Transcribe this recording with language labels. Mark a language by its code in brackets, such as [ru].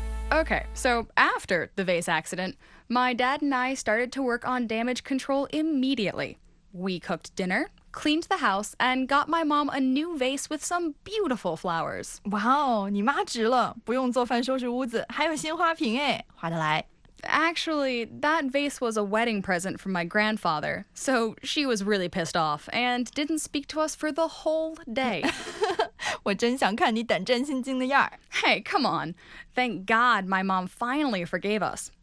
[en] Okay, so after the vase accident, my dad and I started to work on damage control immediately. We cooked dinner, cleaned the house, and got my mom a new vase with some beautiful flowers. [zh] Wow, 你妈值了，不用做饭收拾屋子，还有鲜花瓶哎，划得来。 [en] Actually, that vase was a wedding present from my grandfather, so she was really pissed off and didn't speak to us for the whole day. [zh] 我真想看你胆战心惊的样儿。Hey, [en] come on. Thank God my mom finally forgave us.